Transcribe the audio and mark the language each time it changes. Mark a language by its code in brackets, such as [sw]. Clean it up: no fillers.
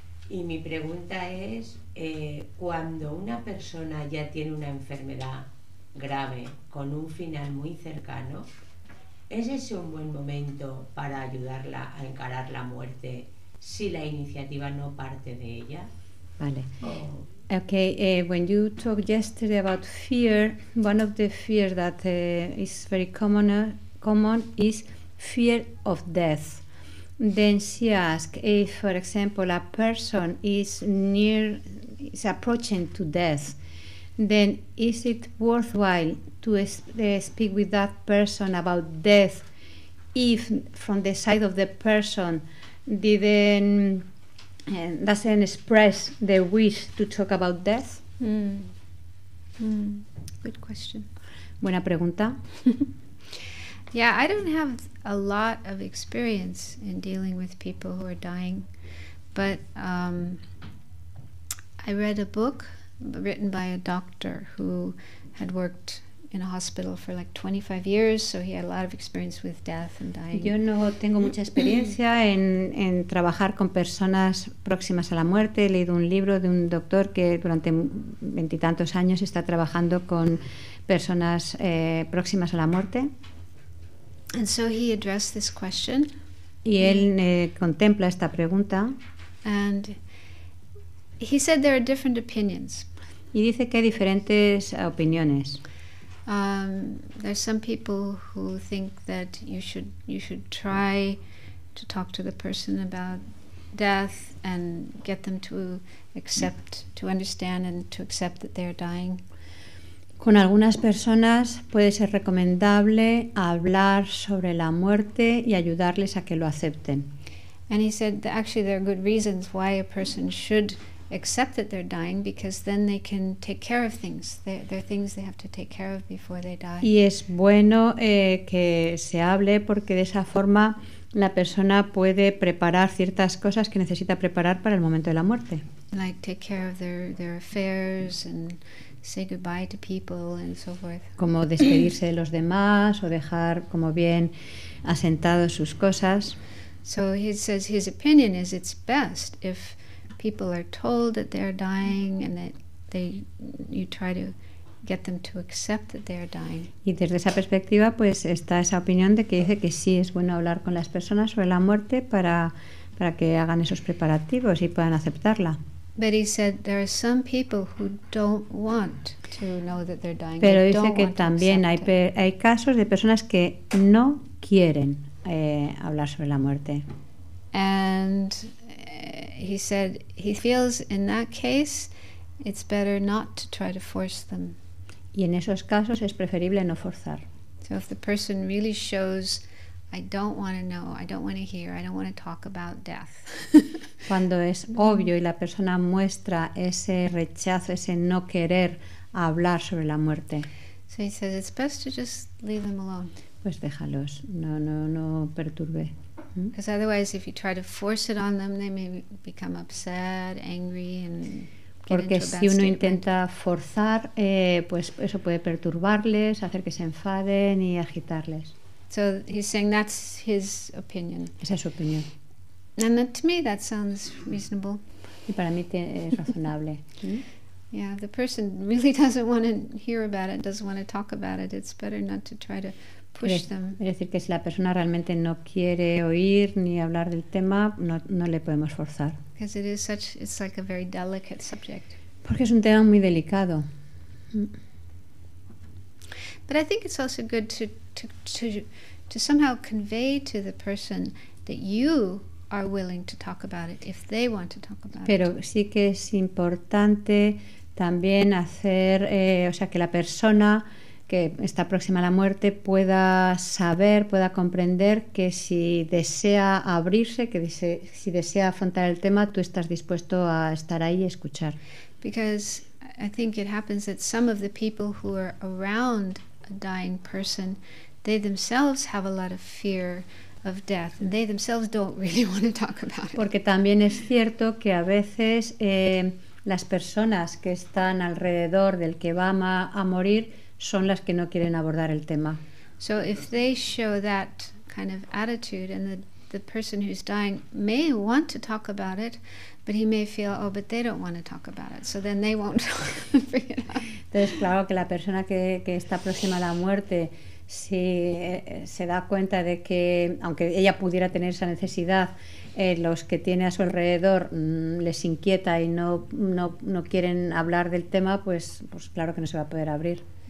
[es] Y mi pregunta es, cuando una persona ya tiene una enfermedad grave con un final muy cercano, ¿es ese un buen momento para ayudarla a encarar la muerte si la iniciativa no parte de ella? Vale. [en] Okay, when you talked yesterday about fear, one of the fears that is very common is fear of death. Then she asked if, for example, a person is approaching to death, then is it worthwhile to speak with that person about death if from the side of the person doesn't express the wish to talk about death? Good question. [es] Buena pregunta. [en] Yeah, I don't have a lot of experience in dealing with people who are dying, but I read a book written by a doctor who had worked in a hospital for like 25 years, so he had a lot of experience with death and dying. [es] Yo no tengo mucha experiencia en trabajar con personas próximas a la muerte. He leído un libro de un doctor que durante 20-tantos años está trabajando con personas próximas a la muerte. [en] And so he addressed this question. [es] Y él contempla esta pregunta. [en] And he said there are different opinions. [es] Y dice que hay diferentes opiniones. [en] There's some people who think that you should try to talk to the person about death and get them to accept, to understand and to accept that they're dying. [es] Con algunas personas puede ser recomendable hablar sobre la muerte y ayudarles a que lo acepten. [en] And he said that actually there are good reasons why a person should accept that they're dying, because then they can take care of things. There are things they have to take care of before they die. [es] Y es bueno que se hable, porque de esa forma la persona puede preparar ciertas cosas que necesita preparar para el momento de la muerte. [en] Like take care of their affairs and say goodbye to people and so forth. [es] Como despedirse de los demás o dejar como bien asentados sus cosas. [en] So he says his opinion is it's best if people are told that they're dying and that you try to get them to accept that they're dying. [es] Y desde esa perspectiva, pues está esa opinión de que dice que sí es bueno hablar con las personas sobre la muerte para que hagan esos preparativos y puedan aceptarla. [en] But he said there are some people who don't want to know that they're dying. [es] Pero [en] they [es] dice [en] don't [es] que [en] want [es] también hay casos de personas que no quieren hablar sobre la muerte. [en] And he said he feels in that case it's better not to try to force them. [es] Y en esos casos es preferible no forzar. [en] So if the person really shows I don't want to know, I don't want to hear, I don't want to talk about death. [es] Cuando es obvio y la persona muestra ese rechazo, ese no querer hablar sobre la muerte. [en] So he says it's best to just leave them alone. [es] Pues déjalos, no perturbe. [en] Because otherwise, if you try to force it on them, they may become upset, angry, and [es] porque [en] get into [es] si uno intenta forzar, pues eso puede perturbarles, hacer que se enfaden y agitarles. [en] So he's saying that's his opinion. [es] Esa es su opinión. [en] And that, to me, that sounds reasonable. [es] Y para mí es razonable. [en] Yeah, the person really doesn't want to hear about it, doesn't want to talk about it. It's better not to try to push them. [es] Es decir, que si la persona realmente no quiere oír ni hablar del tema, no le podemos forzar. [en] Because it is such, it's like a very delicate subject. [es] Porque es un tema muy delicado. [en] But I think it's also good to somehow convey to the person that you are willing to talk about it if they want to talk about it. [es] Pero sí que es importante también hacer, o sea, que la persona que está próxima a la muerte pueda saber, pueda comprender que si desea abrirse, si desea afrontar el tema, tú estás dispuesto a estar ahí y escuchar. [en] Because I think it happens that some of the people who are around a dying person, they themselves have a lot of fear of death. They themselves don't really want to talk about it. [es] Porque también es cierto que a veces las personas que están alrededor del que va a morir son las que no quieren abordar el tema. [en] So if they show that kind of attitude, and the person who's dying may want to talk about it, but he may feel, oh, but they don't want to talk about it, so then they won't bring it up. [es] Entonces, claro, que la persona que está próxima a la muerte, si se da cuenta de que, aunque ella pudiera tener esa necesidad, los que tiene a su alrededor les inquieta y no quieren hablar del tema, pues claro que no se va a poder abrir.